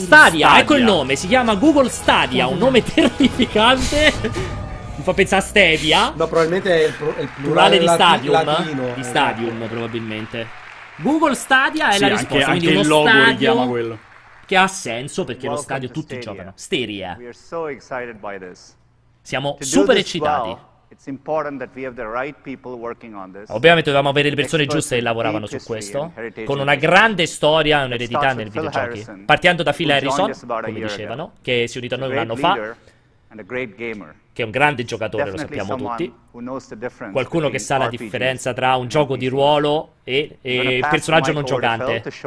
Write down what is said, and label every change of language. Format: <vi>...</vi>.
<it>Stadia, ecco il nome, si chiama Google Stadia, un nome terrificante. Mi fa pensare a Stevia. No, probabilmente è il plurale di Stadium. Latino, di Stadium, probabilmente. Google Stadia è sì, la risposta. Anche, anche uno il logo stadio richiama quello. Che ha senso perché lo stadio tutti Stadia giocano. Stadia.</it> <en>We are so excited by this.</en> <it>Siamo super eccitati.</it> <en>It's important that we have the right people working on this.</en> <it>Ovviamente dovevamo avere le persone giuste che lavoravano su questo, con una grande storia, un'eredità nel videogiochi. Partendo da Phil Harrison, come dicevano, che si è unito a noi un anno fa.</it> <en>And a great gamer.</en> <it>Che è un grande giocatore, lo sappiamo tutti. Qualcuno che sa la differenza tra un gioco di ruolo e il personaggio non giocante.</it>